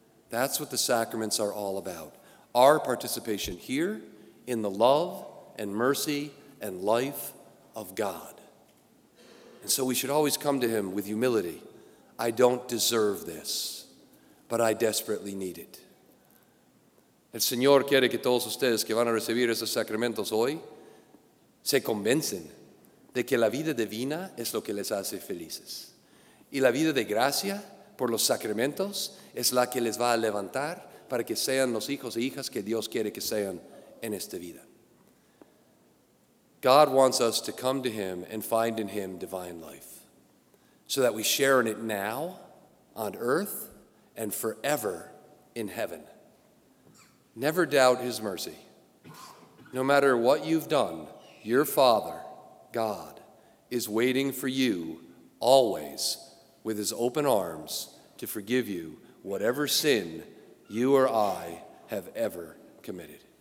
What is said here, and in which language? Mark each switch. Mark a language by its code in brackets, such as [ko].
[en] That's what the sacraments are all about. Our participation here in the love and mercy and life of God. And so we should always come to him with humility. I don't deserve this, but I desperately need it. [es] El Señor quiere que todos ustedes que van a recibir esos sacramentos hoy se convencen de que la vida divina es lo que les hace felices. Y la vida de gracia por los sacramentos es la que les va a levantar para que sean los hijos e hijas que Dios quiere que sean en esta vida. [en] God wants us to come to Him and find in Him divine life, so that we share in it now on earth and forever in heaven. Never doubt His mercy. No matter what you've done, your Father, God, is waiting for you always with His open arms to forgive you whatever sin you or I have ever committed.